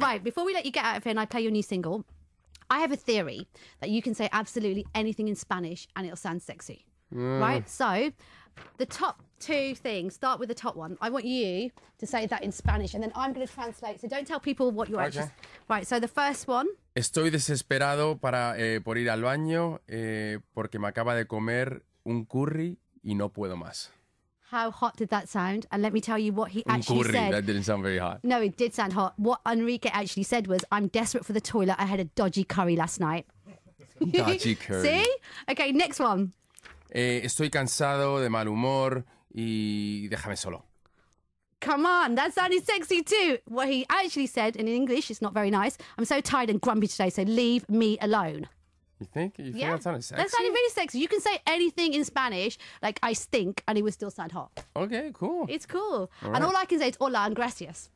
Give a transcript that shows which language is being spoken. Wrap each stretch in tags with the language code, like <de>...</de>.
<en>Right, before we let you get out of here and I play your new single, I have a theory that you can say absolutely anything in Spanish and it'll sound sexy. Right? So, the top two things, start with the top one. I want you to say that in Spanish, and then I'm going to translate. So don't tell people what you're actually... Right, so the first one.</en> <es>Estoy desesperado para por ir al baño porque me acaba de comer un curry y no puedo más.</es> <en>How hot did that sound? And let me tell you what he actually said. That didn't sound very hot. No, it did sound hot. What Enrique actually said was, I'm desperate for the toilet. I had a dodgy curry last night. Dodgy curry. See? Okay, next one.</en> <es>Estoy cansado, de mal humor, y déjame solo.</es> <en>Come on, that sounded sexy too. What he actually said in English is not very nice. I'm so tired and grumpy today, so leave me alone. You think that sounded sexy? That sounded really sexy. You can say anything in Spanish, like I stink, and it would still sound hot. Okay, cool. It's cool. All I can say is hola and gracias.</en>